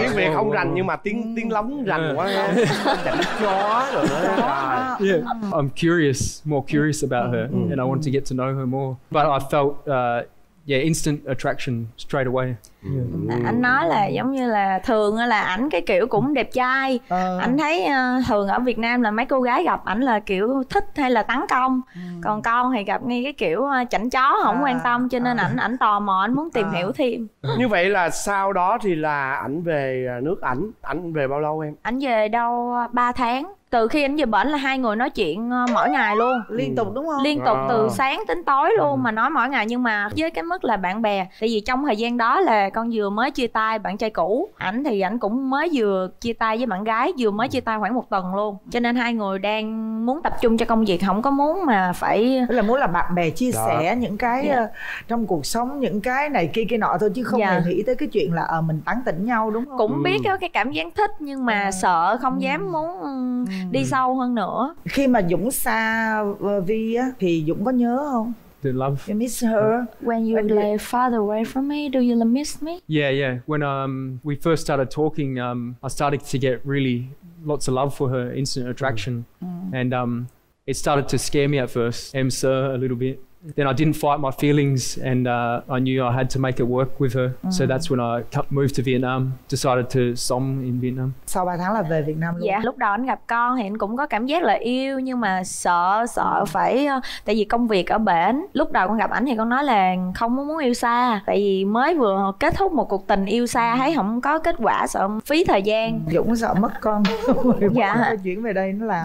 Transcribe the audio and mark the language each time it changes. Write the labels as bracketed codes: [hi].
[vi] Tiếng Việt không rành nhưng mà tiếng lóng rành quá. Chân chó rồi đó. Yeah. [en] I'm more curious about her, and I want to get to know her more, but I felt instant attraction straight away. [vi] Anh nói là giống như là thường là ảnh cái kiểu cũng đẹp trai. Anh thấy thường ở Việt Nam là mấy cô gái gặp ảnh là kiểu thích hay là tấn công. Còn con thì gặp ngay cái kiểu chảnh chó, không quan tâm. Cho nên ảnh tò mò, ảnh muốn tìm hiểu thêm. Như vậy là sau đó thì là ảnh về nước ảnh. Ảnh về bao lâu em? Ảnh về đâu 3 tháng. Từ khi ảnh về bển là hai người nói chuyện mỗi ngày luôn. Liên tục đúng không? Liên tục từ sáng tới tối luôn mà nói mỗi ngày. Nhưng mà với cái mức là bạn bè. Tại vì trong thời gian đó là con vừa mới chia tay bạn trai cũ. Ảnh thì ảnh cũng mới vừa chia tay với bạn gái. Vừa mới chia tay khoảng một tuần luôn. Cho nên hai người đang muốn tập trung cho công việc. Không có muốn mà phải... Là muốn là bạn bè chia sẻ những cái trong cuộc sống. Những cái này kia kia nọ thôi. Chứ không hề nghĩ tới cái chuyện là mình tán tỉnh nhau đúng không? Cũng biết cái cảm giác thích. Nhưng mà sợ không dám muốn... đi sâu hơn nữa. Khi mà Dũng xa Vi á thì Dũng có nhớ không? [en] Do you love? You miss her? When you lay like farther away from me, do you miss me? Yeah, yeah. When we first started talking, I started to get really lots of love for her, instant attraction. And it started to scare me at first, [vi] em sợ [en] a little bit. Then I didn't fight my feelings and I knew I had to make it work with her. So that's when I moved to Vietnam, decided to sống in Vietnam. [vi] Sau 3 tháng là về Việt Nam luôn. Dạ, lúc đầu anh gặp con thì anh cũng có cảm giác là yêu nhưng mà sợ phải tại vì công việc ở bển. Lúc đầu con gặp ảnh thì con nói là không muốn yêu xa, tại vì mới vừa kết thúc một cuộc tình yêu xa thấy không có kết quả, sợ phí thời gian. Dũng sợ mất con. Dạ. Chuyển về đây nó làm.